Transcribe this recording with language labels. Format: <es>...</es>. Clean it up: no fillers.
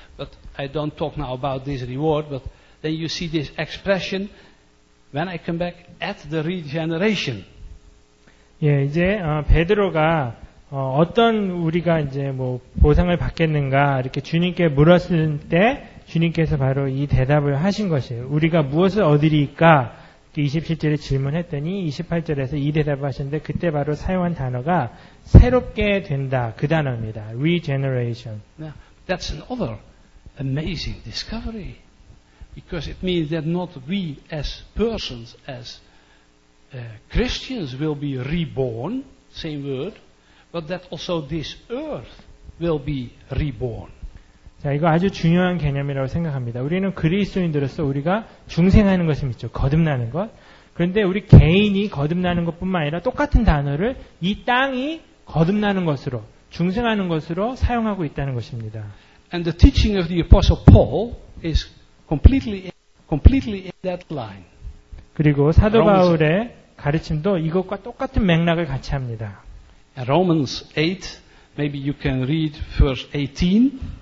<en>But I don't talk now about this reward, but then you see this expression, "When I come back at the regeneration."</en> <ko>예, 이제 베드로가 어떤 우리가 이제 뭐 보상을 받겠는가 이렇게 주님께 물었을 때 주님께서 바로 이 대답을 하신 것이에요. 우리가 무엇을 얻으리까? 27절에 질문했더니 28절에서 이 대답을 하셨는데 그때 바로 사용한 단어가 새롭게 된다 그 단어입니다.</ko> <en>Regeneration. Now, that's another amazing discovery. Because it means that not we as persons, as Christians will be reborn, same word, but that also this earth will be reborn.</en> <ko>자, 이거 아주 중요한 개념이라고 생각합니다. 우리는 그리스도인들로서 우리가 중생하는 것이 있죠. 거듭나는 것. 그런데 우리 개인이 거듭나는 것뿐만 아니라 똑같은 단어를 이 땅이 거듭나는 것으로, 중생하는 것으로 사용하고 있다는 것입니다.</ko> <en>And the teaching of the Apostle Paul is completely in that line.</en> <ko>그리고 사도 바울의 가르침도 이것과 똑같은 맥락을 같이 합니다.</ko> <en>Romans 8, maybe you can read verse 18.</en>